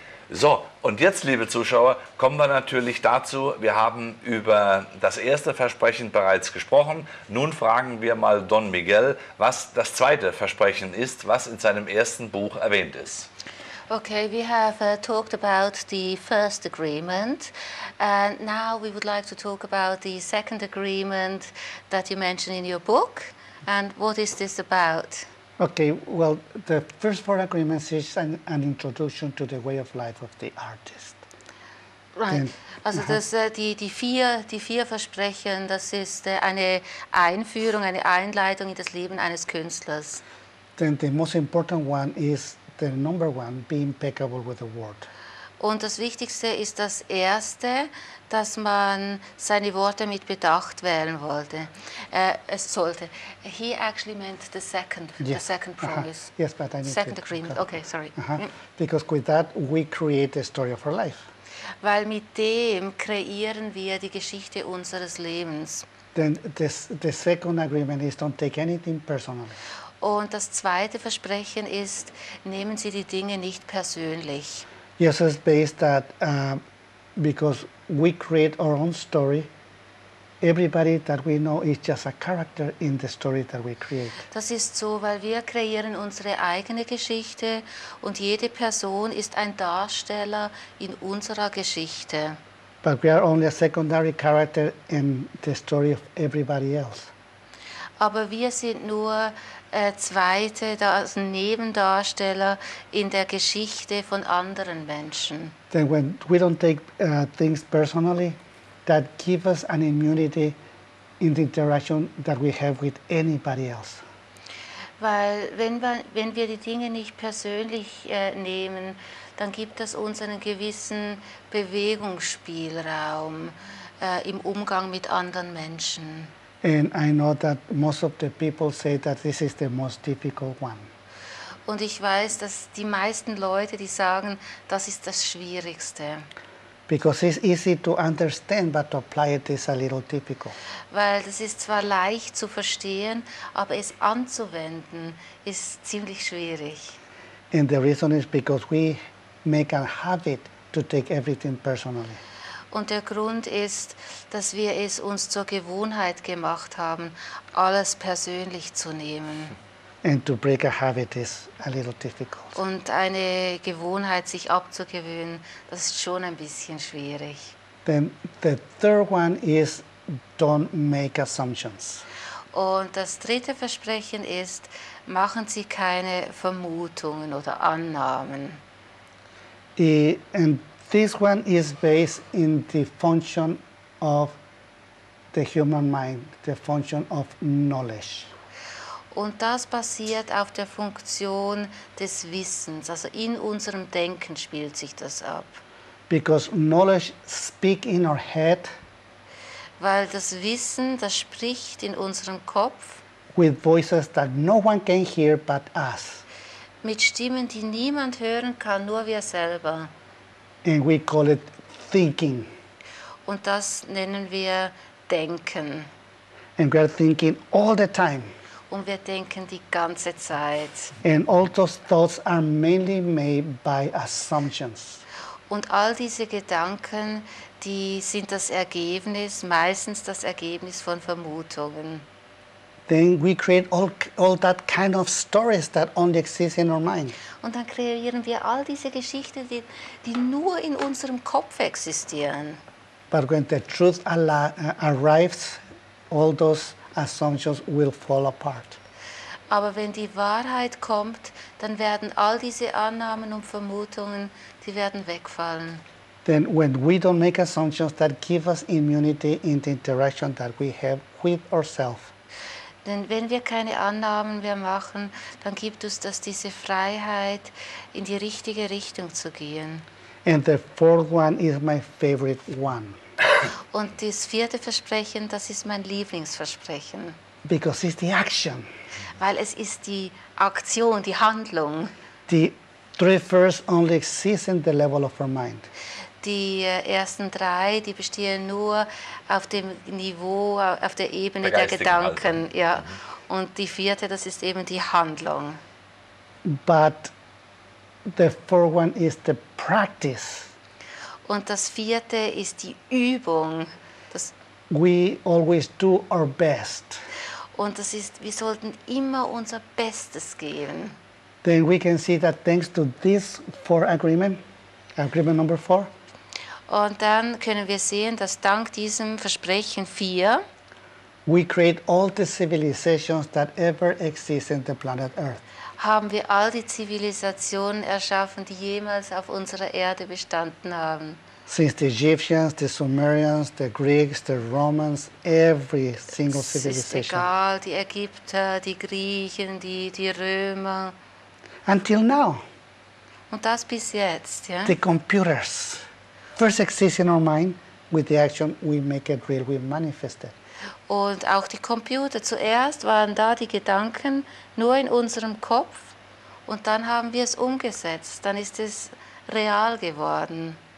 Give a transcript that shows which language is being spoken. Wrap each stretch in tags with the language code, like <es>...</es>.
<de>So, und jetzt, liebe Zuschauer, kommen wir natürlich dazu. Wir haben über das erste Versprechen bereits gesprochen. Nun fragen wir mal Don Miguel, was das zweite Versprechen ist, was in seinem ersten Buch erwähnt ist.</de> <en>Okay, we have talked about the first agreement. And now we would like to talk about the second agreement that you mentioned in your book. And what is this about? Okay, well, the first four agreements is an introduction to the way of life of the artist. Right. Then,</en> <de>also das, die vier Versprechen, das ist eine Einführung, eine Einleitung in das Leben eines Künstlers.</de> <en>Then the most important one is the number one, be impeccable with the word.</en> <de>Und das Wichtigste ist das Erste, dass man seine Worte mit Bedacht wählen wollte. Es sollte.</de> <en>He actually meant the second, yeah. The second promise. Uh-huh. Yes, but I need second to agreement. Okay, sorry. Uh-huh. Because with that we create the story of our life.</en> <de>Weil mit dem kreieren wir die Geschichte unseres Lebens.</de> <en>Then this, the second agreement is don't take anything personally.</en> <de>Und das zweite Versprechen ist, nehmen Sie die Dinge nicht persönlich.</de> <en>Yes, it's based that because we create our own story. Everybody that we know is just a character in the story that we create.</en> <de>Das ist so, weil wir kreieren unsere eigene Geschichte und jede Person ist ein Darsteller in unserer Geschichte.</de> <en>But we are only a secondary character in the story of everybody else.</en> <de>Aber wir sind nur zweite, also Nebendarsteller in der Geschichte von anderen Menschen.</de> <en>Then when we don't take things personally, that gives us an immunity in the interaction that we have with anybody else.</en> <de>Weil wenn wir die Dinge nicht persönlich nehmen, dann gibt das uns einen gewissen Bewegungsspielraum im Umgang mit anderen Menschen.</de> <en>And I know that most of the people say that this is the most difficult one.</en> <de>Und ich weiß, dass die meisten Leute, die sagen, das ist das Schwierigste.</de> <en>Because it's easy to understand, but to apply it is a little difficult.</en> <de>Weil das ist zwar leicht zu verstehen, aber es anzuwenden ist ziemlich schwierig.</de> <en>And the reason is because we make a habit to take everything personally.</en> <de>Und der Grund ist, dass wir es uns zur Gewohnheit gemacht haben, alles persönlich zu nehmen.</de> <en>And to break a habit is a little difficult.</en> <de>Und eine Gewohnheit, sich abzugewöhnen, das ist schon ein bisschen schwierig.</de> <en>Then the third one is don't make assumptions.</en> <de>Und das dritte Versprechen ist, machen Sie keine Vermutungen oder Annahmen.</de> <en>This one is based in the function of the human mind, the function of knowledge.</en> <de>Und das basiert auf der Funktion des Wissens. Also in unserem Denken spielt sich das ab.</de> <en>Because knowledge speaks in our head.</en> <de>Weil das Wissen, das spricht in unserem Kopf.</de> <en>With voices that no one can hear but us.</en> <de>Mit Stimmen, die niemand hören kann, nur wir selber.</de> <en>And we call it thinking.</en> <de>Und das nennen wir Denken.</de> <en>And we are thinking all the time.</en> <de>Und wir denken die ganze Zeit.</de> <en>And all those thoughts are mainly made by assumptions.</en> <de>Und all diese Gedanken, die sind das Ergebnis, meistens das Ergebnis von Vermutungen.</de> <en>Then we create all that kind of stories that only exist in our mind.</en> <de>Und dann kreieren wir all diese Geschichten, die nur in unserem Kopf existieren.</de> <en>But when the truth arrives, all those assumptions will fall apart.</en> <de>Aber wenn die Wahrheit kommt, dann werden all diese Annahmen und Vermutungen, die werden wegfallen.</de> <en>then when we don't make assumptions that give us immunity in the interaction that we have with ourselves.</en> <de>Denn wenn wir keine Annahmen mehr machen, dann gibt uns das diese Freiheit, in die richtige Richtung zu gehen.</de> <en>And the fourth one is my favorite one.</en> <de>Und das vierte Versprechen, das ist mein Lieblingsversprechen.</de> <en>Because it's the action.</en> <de>Weil es ist die Aktion, die Handlung.</de> <en>The three first only exist in the level of our mind.</en> <de>Die ersten drei, die bestehen nur auf dem Niveau, auf der Ebene der Gedanken. Also. Ja. Und die vierte, das ist eben die Handlung.</de> <en>But the fourth one is the practice.</en> <de>Und das vierte ist die Übung. Das</de> <en>we always do our best.</en> <de>Und das ist, wir sollten immer unser Bestes geben.</de> <en>Then we can see that thanks to this four agreement, agreement number four,</en> <de>und dann können wir sehen, dass dank diesem Versprechen 4</de> <en>we create all the civilizations that ever exist in the planet Earth.</en> <de>Haben wir all die Zivilisationen erschaffen, die jemals auf unserer Erde bestanden haben.</de> <en>Since the Egyptians, the Sumerians, the Greeks, the Romans, every single civilization.</en> <de>Es ist egal, die Ägypter, die Griechen, die Römer.</de> <en>Until now.</en> <de>Und das bis jetzt, ja?</de> <en>The computers. First exists in our mind with the action we make it real, we manifest it.</en> <de>Und auch die Computer, zuerst waren da die Gedanken nur in unserem Kopf und dann haben wir es umgesetzt, dann ist es real geworden.</de>